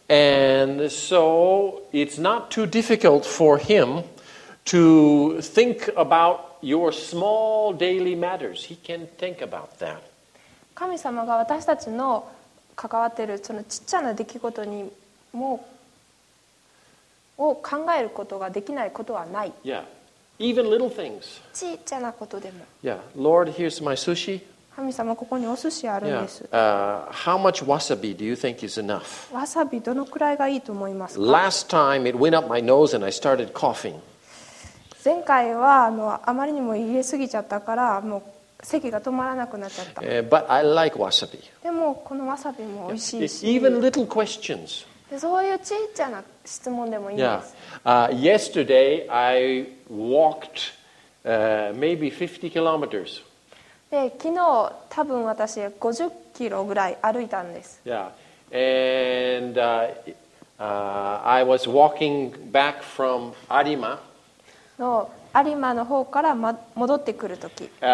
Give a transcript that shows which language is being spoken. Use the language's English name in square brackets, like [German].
[English] And so it's not too difficult for him to think about your small daily matters. He can think about that. [Japanese] 神様が私たちの関わっているそのちっちゃな出来事にもを考えることができないことはない。 [English] Yeah. Even little things. [Japanese] ちっちゃなことでも。 [English] Yeah, Lord, here's my sushi. [Japanese] 神様、ここにお寿司あるんです。 [English] Yeah. How much wasabi do you think is enough? [Japanese] わさびどのくらいがいいと思いますか? [English] Last time it went up my nose and I started coughing. [Japanese] 前回はあまりにも入れすぎちゃったからもう咳が止まらなくなっちゃった。 [English] But I like wasabi. [Japanese] でもこのわさびも美味しいし。 [English] Even little questions. [Japanese] そういうちっちゃな質問でもいいです。 [English] Yeah. Yesterday I walked maybe 50 kilometers. [Japanese] で、昨日多分私50キロぐらい歩いたんです。 [English] Yeah. And I was walking back from Arima. [Japanese] のリマの方から戻ってくるとき、